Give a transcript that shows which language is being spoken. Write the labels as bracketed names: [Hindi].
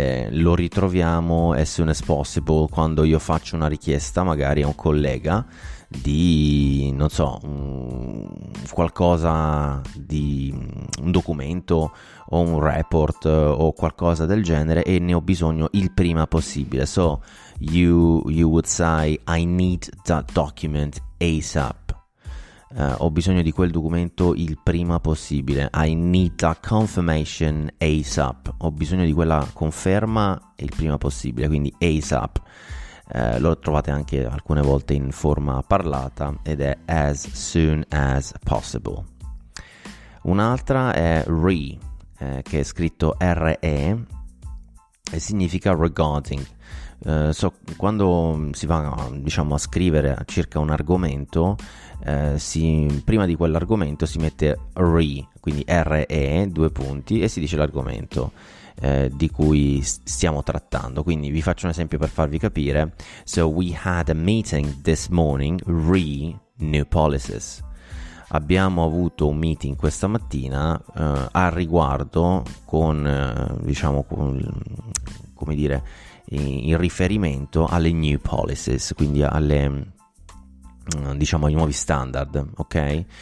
[Italian] lo ritroviamo [English] as soon as possible [Italian] quando io faccio una richiesta magari a un collega di, non so, qualcosa di un documento o un report o qualcosa del genere, e ne ho bisogno il prima possibile. [English] So you would say I need that document ASAP. [Italian] Ho bisogno di quel documento il prima possibile. [English] I need that confirmation ASAP. [Italian] Ho bisogno di quella conferma il prima possibile, quindi ASAP. Lo trovate anche alcune volte in forma parlata ed è [English] as soon as possible. [Italian] Un'altra è re, che è scritto re e significa regarding. So, quando si va, diciamo, a scrivere circa un argomento, prima di quell'argomento si mette re, quindi re due punti, e si dice l'argomento di cui stiamo trattando. Quindi vi faccio un esempio per farvi capire. [English] So we had a meeting this morning re new policies. [Italian] Abbiamo avuto un meeting questa mattina a riguardo con diciamo con, come dire, in riferimento alle new policies, quindi alle, diciamo, ai nuovi standard, ok?